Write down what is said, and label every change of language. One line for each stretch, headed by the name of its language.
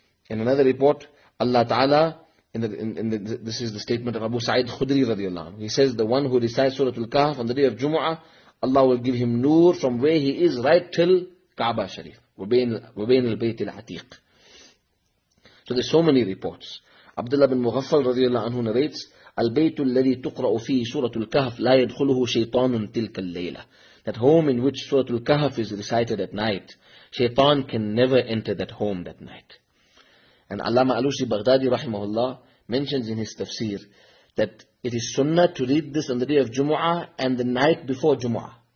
English: In another report, Allah Ta'ala, this is the statement of Abu Sa'id Khudri radiallahu anhu, he says, the one who recites سورة الكهف on the day of Jumu'ah, Allah will give him nur from where he is right till Kaaba Sharif.
Arabic: وبين البيت العتيق.
English: So there's so many reports. Abdullah bin Mughaffal radiallahu anhu narrates,
Arabic: البيت الذي تقرأ فيه سورة الكهف لا يدخله شيطان تلك الليلة.
English: That home in which سورة الكهف is recited at night, شيطان can never enter that home that night. And Allama Alusi Baghdadi rahimahullah mentions in his tafsir that it is sunnah to read this on the day of Jumu'ah and the night before Jumu'ah.